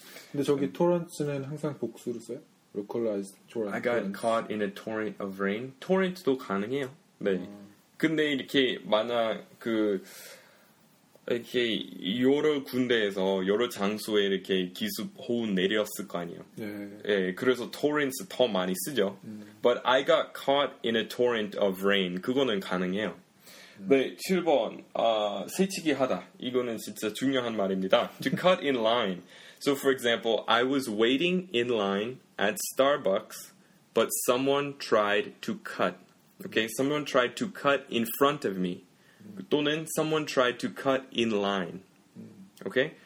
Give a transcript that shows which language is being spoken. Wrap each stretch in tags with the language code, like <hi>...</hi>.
<ko>근데 저기 torrents는 항상 복수로 써요? localized torrent.</ko> <en>I got caught in a torrent of rain. torrent도</en> <ko>가능해요. 네. 근데 이렇게 만약 그 이렇게 여러 군데에서 여러 장소에 이렇게 기습 호우 내렸을 거 아니에요. 예. 예, 그래서 torrents 더 많이 쓰죠.</ko> <en>But I got caught in a torrent of rain.</en> <ko>그거는 가능해요. 네, 7번. 새치기 하다. 이거는 진짜 중요한 말입니다.</ko> <en>To cut in line. So for example, I was waiting in line at Starbucks, but someone tried to cut. Okay, someone tried to cut in front of me. 또는 someone tried to cut in line. Okay?</en>